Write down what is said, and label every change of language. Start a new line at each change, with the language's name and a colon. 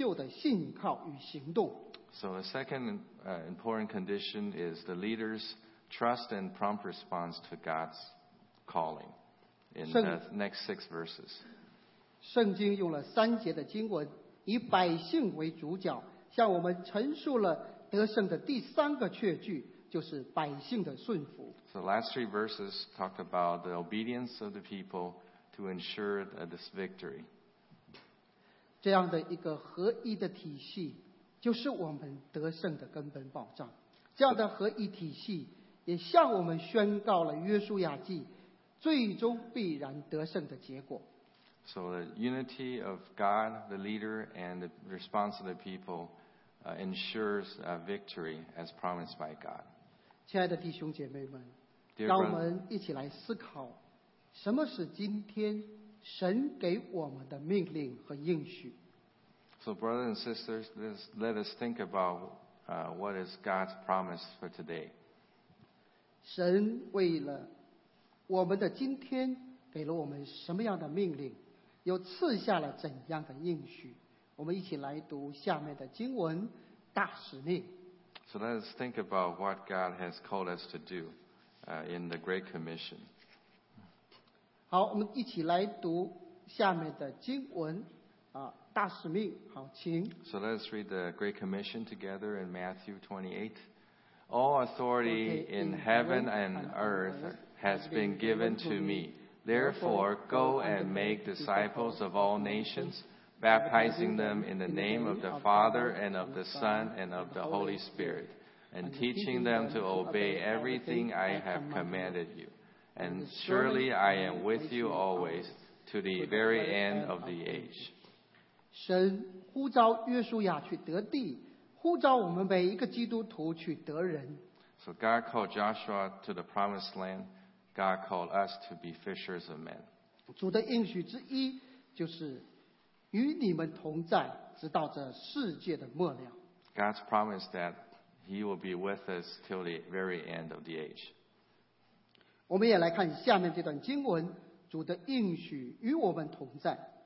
Chinese: 圣经用了六节的经文，以领袖为第二个主角，向我们陈述了得胜的第二个应许，就是领袖的信靠与行动。So
English: the second important condition is the leader's trust and prompt response to God's calling in the next 6 verses.
Chinese: 圣经用了三节的经文，以百姓为主角，向我们陈述了得胜的第三个确据，就是百姓的顺服。So
English: the last 3 verses talk about the obedience of the people to ensure this victory.
Chinese: 这样的一个合一的体系就是我们得胜的根本保障。这样的合一体系也向我们宣告了约书亚记最终必然得胜的结果。
English: So the unity of God, the leader, and the response of the people ensures a victory as promised by God.
Chinese: 亲爱的弟兄姐妹们，让我们一起来思考，什么是今天神给我们的命令和应许。
English: So brothers and sisters, let us think about what is God's promise for today.
Chinese: 神为了我们的今天给了我们什么样的命令，又赐下了怎样的应许。我们一起来读下面的经文，大使命。
English: So let us think about what God has called us to do in the Great Commission.
Chinese: 好，我们一起来读下面的经文大使命，好，请。
English: So let us read the Great Commission together in Matthew 28. All authority in heaven and earth has been given to me. Therefore, go and make disciples of all nations, baptizing them in the name of the Father and of the Son and of the Holy Spirit, and teaching them to obey everything I have commanded you. And surely I am with you always, to the very end of the age.
Chinese: 神呼召约书亚去得地，呼召我们每一个基督徒去得人。
English: So God called Joshua to the promised land. God called us to be fishers of men.
Chinese: 主的应许之一就是与你们同在，直到这世界的末了。
English: God's promise that He will be with us till the very end of the age.
Chinese: 我们也来看下面这段经文，主的应许与我们同在。